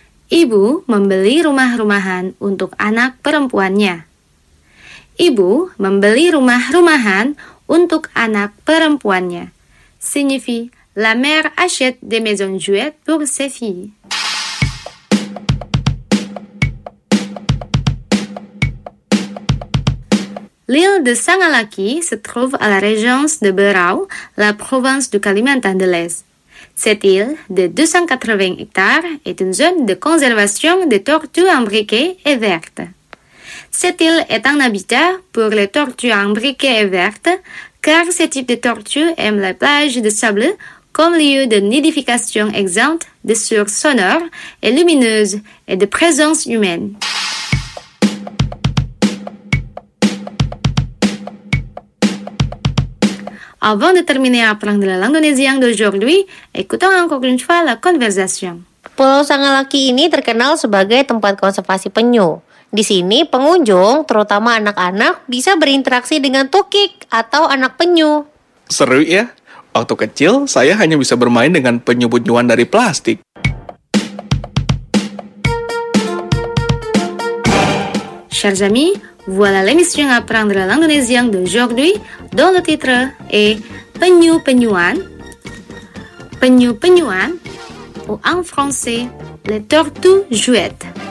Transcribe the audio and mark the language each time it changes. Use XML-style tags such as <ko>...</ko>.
<id>Ibu membeli rumah-rumahan untuk anak perempuannya. Ibu membeli rumah-rumahan untuk anak perempuannya.</id> <fr>Signifie la mère achète des maisons jouettes pour ses filles. L'île de Sangalaki se trouve à la région de Berau, la province du Kalimantan de l'Est. Cette île de 280 hectares est une zone de conservation des tortues imbriquées et vertes. Cette île est un habitat pour les tortues imbriquées et vertes, car ce type de tortue aime la plage de sable comme lieu de nidification exempte de sources sonores et lumineuses et de présence humaine. Avant de terminer à apprendre l'indonésien d'aujourd'hui, écoutons encore une fois la conversation.</fr> <id>Pulau Sangalaki ini terkenal sebagai tempat konservasi penyu. Di sini, pengunjung, terutama anak-anak, bisa berinteraksi dengan tukik atau anak penyu. Seru ya. Waktu kecil, saya hanya bisa bermain dengan penyu-penyuan dari plastik.</id> <fr>Chers amis, voilà l'émission Apprendre l'indonésien d'aujourd'hui, dont le titre est Penyu-penyuan. Penyu-penyuan, ou en français, les tortues jouettes.</fr>